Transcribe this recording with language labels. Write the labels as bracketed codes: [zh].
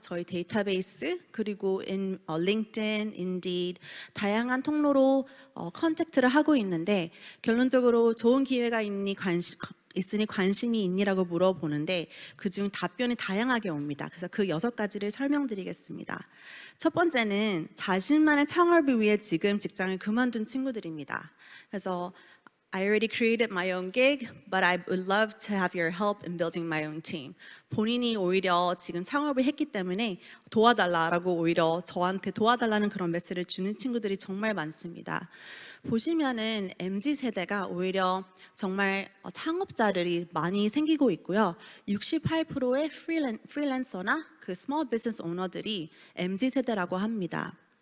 [ko] 저희 데이터베이스 그리고 LinkedIn, Indeed 다양한 통로로 컨택트를 하고 있는데 결론적으로 좋은 기회가 있니 있으니 관심이 있니라고 물어보는데 그중 답변이 다양하게 옵니다. 그래서 그 여섯 가지를 설명드리겠습니다. 첫 번째는 자신만의 창업을 위해 지금 직장을 그만둔 친구들입니다. 그래서 [en] I already created my own gig, but I would love to have your help in building my own team. [ko] 본인이 오히려 지금 창업을 했기 때문에 도와달라고 오히려 저한테 도와달라는 그런 메시지를 주는 친구들이 정말 많습니다. 보시면은 MZ 세대가 오히려 정말 창업자들이 많이 생기고 있고요. 68%의 프리랜서나 그 스몰 비즈니스 오너들이 MZ 세대라고 합니다.